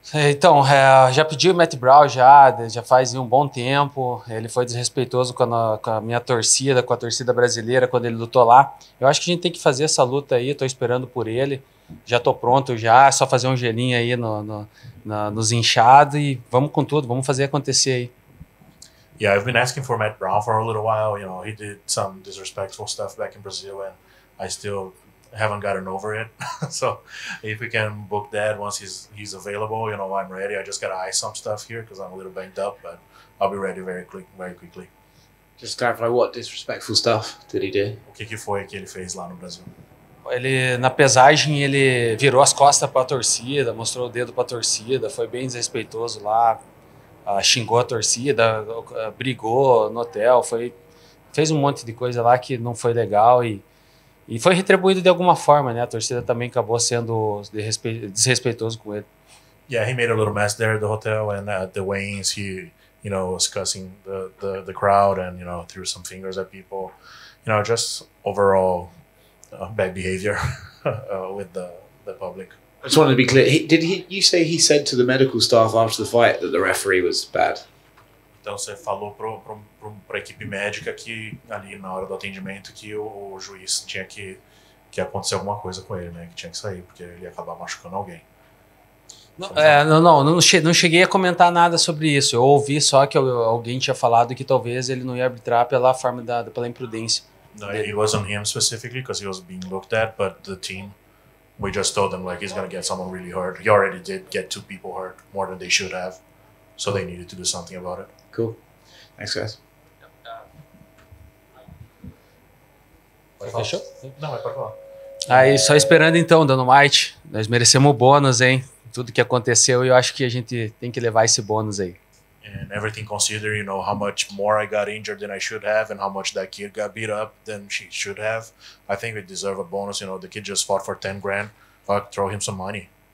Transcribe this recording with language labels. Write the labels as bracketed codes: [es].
[pt] Então, já pedi o Matt Brown já faz um bom tempo. Ele foi desrespeitoso com a minha torcida, com a torcida brasileira, quando ele lutou lá. Eu acho que a gente tem que fazer essa luta aí, tô esperando por ele. Já tô pronto já, é só fazer um gelinho aí nos inchados e vamos com tudo, vamos fazer acontecer aí. [en] Yeah, I've been asking for Matt Brown for a little while, you know, he did some disrespectful stuff back in Brazil and I still haven't gotten over it. So if we can book that once he's available, you know, I'm ready. I just gotta eye some stuff here because I'm a little banged up, but I'll be ready very quickly. Just clarify, what disrespectful stuff did he do? [pt] O que foi que ele fez lá no Brasil? Ele, na pesagem, ele virou as costas para a torcida, mostrou o dedo para a torcida, foi bem desrespeitoso lá, xingou a torcida, brigou no hotel, fez um monte de coisa lá que não foi legal e foi retribuído de alguma forma, né? A torcida também acabou sendo desrespeitoso com ele. [en] Yeah, he made a little mess there at the hotel and at the weigh-ins he, you know, was cussing the crowd and, you know, threw some fingers at people. You know, just overall bad behavior with the public. I just wanted to be clear. You say he said to the medical staff after the fight that the referee was bad? [pt] Então você falou para a equipe médica que ali na hora do atendimento que o juiz tinha que acontecer alguma coisa com ele, né? Que tinha que sair, porque ele ia acabar machucando alguém. Não cheguei a comentar nada sobre isso. Eu ouvi só que alguém tinha falado que talvez ele não ia arbitrar pela forma pela imprudência. [en] No, it was on him specifically because he was being looked at, but the team, we just told them like he's gonna get someone really hurt. He already did get 2 people hurt more than they should have, so they needed to do something about it. Cool. Thanks, guys. [pt] Aí, só esperando então, Dynamite. Nós merecemos o bônus, hein? Tudo que aconteceu, eu acho que a gente tem que levar esse bônus aí. [en] And everything considered, you know, how much more I got injured than I should have and how much that kid got beat up than she should have. I think we deserve a bonus, you know, the kid just fought for $10,000. Fuck, throw him some money.